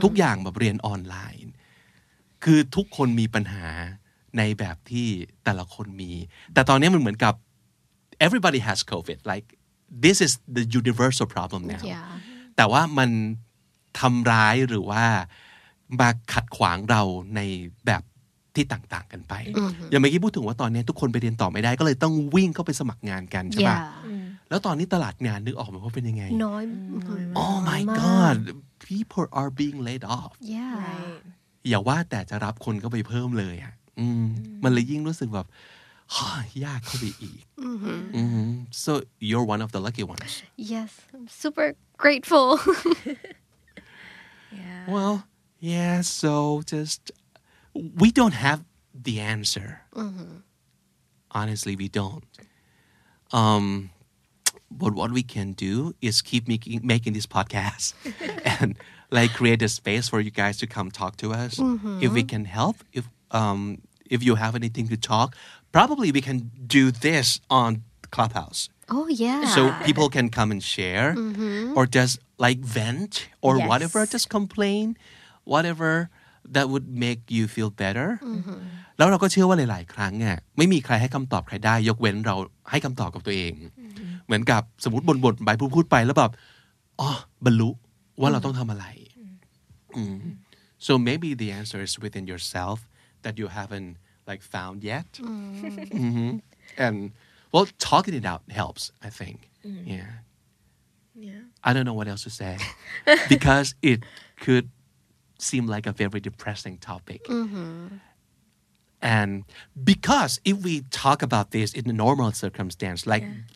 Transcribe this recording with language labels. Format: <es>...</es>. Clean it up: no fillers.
<th>ทุกอย่างแบบเรียนออนไลน์คือทุกคนมีปัญหาในแบบที่แต่ละคนมีแต่ตอนนี้มันเหมือนกับ</th> <en>everybody has COVID like this is the universal problem now yeah.</en> <th>แต่ว่ามันทำร้ายหรือว่ามาขัดขวางเราในแบบที่ต่างๆกันไป mm-hmm. อ ย่างเมื่อกี้พูดถึงว่าตอนนี้ทุกคนไปเรียนต่อไม่ได้ก็เลยต้องวิ่งเข้าไปสมัครงานกัน</th> <en>yeah.</en> <th>ใช่ป่ะ mm-hmm. แล้วตอนนี้ตลาดงานนึกออกไหมว่าเป็นยังไง น้อย</th> <en>oh my god people are being laid off yeah right.</en> <th>อย่าว่าแต่จะรับคนเข้าไปเพิ่มเลยอ่ะมันเลยยิ่งรู้สึกแบบยากเข้าไปอีก</th> <en>so you're one of the lucky ones yes I'm super grateful yeah well yeah so just we don't have the answer honestly we don't but what we can do is keep making this podcast and like create a space for you guys to come talk to us mm-hmm. if we can help if you have anything to talk, probably we can do this on Clubhouse. Oh, yeah. So people can come and share mm-hmm. or just like vent or yes. whatever, just complain, whatever that would make you feel better. Mm-hmm.</en> <th>แล้วเราก็เชื่อว่าหลายๆครั้งอ่ะไม่มีใครให้คำตอบใครได้ยกเว้นเราให้คำตอบกับตัวเองเหมือนกับสมมุติบ่นๆไปพูดๆไปแล้วแบบอ๋อบรรลุว่าเราต้องทำอะไร</th> <en>So maybe the answer is within yourselfthat you haven't, like, found yet. Mm. Mm-hmm. And, well, talking it out helps, I think. Mm. Yeah. Yeah. I don't know what else to say. Because it could seem like a very depressing topic. Mm-hmm. And because if we talk about this in a normal circumstance, like yeah.</en>